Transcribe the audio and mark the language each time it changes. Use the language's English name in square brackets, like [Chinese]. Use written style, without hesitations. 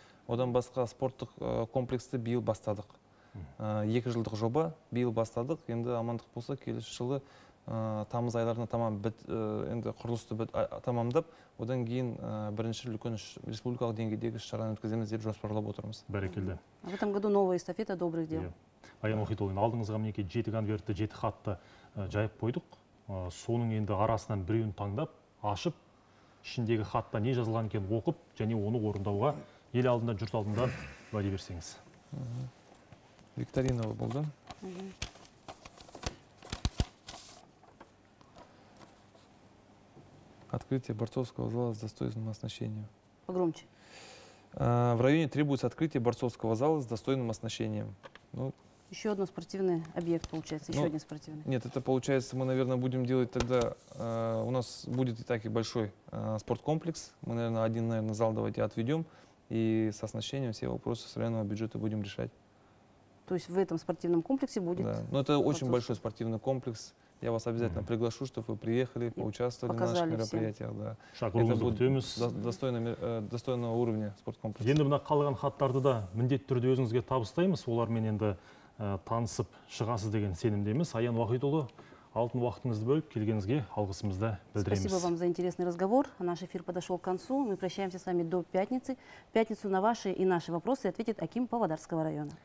[Kazakh] Одан басқа спорттық комплексті биыл бастадық. 2 жылдық жоба, биыл бастадық. Енді амандық болса, келесі жылы тамыз айларына тамам бит, енді құрылысты бит, тамамдып, одан кейін бірінші үлкен республикалық деңгейдегі шараны өткіземіз деп жоспарлап отырмыз. Бәрекелді. [Russian] В этом году новая эстафета добрых дел. [Kazakh] Аян Мұхитұлы, алдыңызға мінекі жеті конвертті, жеті хатты жайып қойдық. Соның енді арасынан біреуін таңдап, ашып, ішіндегі хатта не жазылған екенін оқып, және оны орындауға ел алдында, жұрт алдында уәде берсеңіз. Викторина болды. [Russian] Открытие борцовского зала с достойным оснащением. Погромче. В районе требуется открытие борцовского зала с достойным оснащением. Ну, еще один спортивный объект получается, еще один спортивный. Нет, это получается, мы, наверное, будем делать тогда, у нас будет и так и большой спорткомплекс. Мы, наверное, один, наверное, зал давайте отведем и с оснащением все вопросы с районного бюджета будем решать. То есть в этом спортивном комплексе будет? Да, но это очень большой спортивный комплекс. Я вас обязательно приглашу, чтобы вы приехали, поучаствовали на наших мероприятиях. Да. [Kazakh] Шақырыңыз бұтымыз. [Russian] Достойного уровня спорткомплекс. [Kazakh] Енді мына қалған хаттарды да міндет түрде өзіңізге табыстаймыз. Олармен енді танысып шығасыз деген сенімдеміз. Аян Уахитұлы, алтын уақытыңызды бөліп, келгеніңізге алғысымызды білдіреміз. [Russian] Спасибо вам за интересный разговор. Наш эфир подошел к концу. Мы прощаемся с вами до пятницы. В пятницу на ваши и наши вопросы ответит Аким Павлодарского района.